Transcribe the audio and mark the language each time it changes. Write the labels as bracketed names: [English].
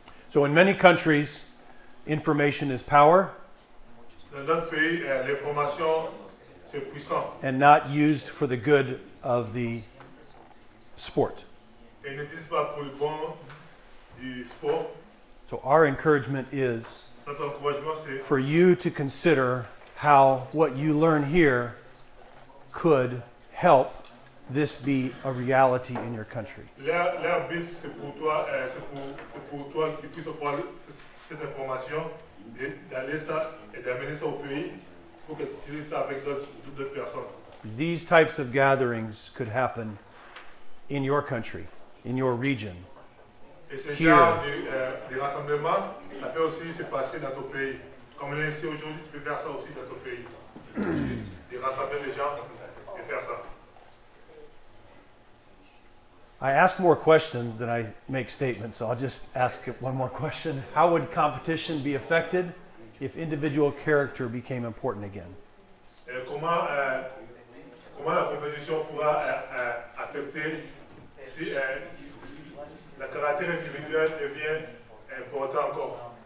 [English] So in many countries, information is power. [French] Dans notre pays, l'information, c'est puissant. [English] And not used for the good of the sport. [French] Et n'utilise pas pour le bon du sport. [English] So our encouragement is for you to consider how what you learn here could help this be a reality in your country. [French] Leur but, c'est pour toi, si tu puisses avoir cette information, d'aller ça et d'amener ça au pays, pour que tu utilises ça avec d'autres personnes. [English] These types of gatherings could happen in your country, in your region. [French] Et ce genre de rassemblement, ça peut aussi se passer dans ton pays. Comme on est ici aujourd'hui, tu peux faire ça aussi dans ton pays. De rassembler les gens et faire ça. [English] I ask more questions than I make statements, so I'll just ask one more question. How would competition be affected if individual character became important again? [French] Comment la compétition pourra affecter si le caractère individuel devient important encore?